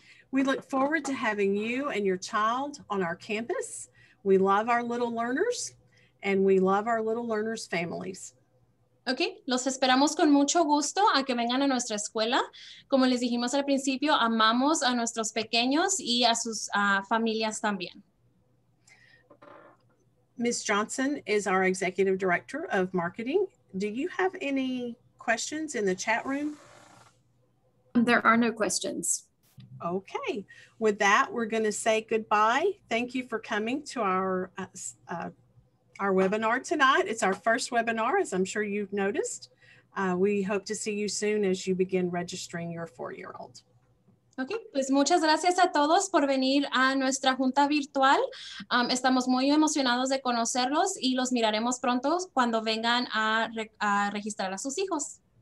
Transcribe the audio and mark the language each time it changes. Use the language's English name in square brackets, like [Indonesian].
[English] We look forward to having you and your child on our campus. We love our little learners, and we love our little learners' families. [Spanish] Okay, los esperamos con mucho gusto a que vengan a nuestra escuela. Como les dijimos al principio, amamos a nuestros pequeños y a sus familias también. [English] Ms. Johnson is our Executive Director of Marketing. Do you have any questions in the chat room? There are no questions. Okay. With that, we're going to say goodbye. Thank you for coming to our webinar tonight. It's our first webinar, as I'm sure you've noticed. We hope to see you soon as you begin registering your 4-year-old. [Spanish] Okay, pues muchas gracias a todos por venir a nuestra junta virtual. Estamos muy emocionados de conocerlos y los miraremos pronto cuando vengan a registrar a sus hijos.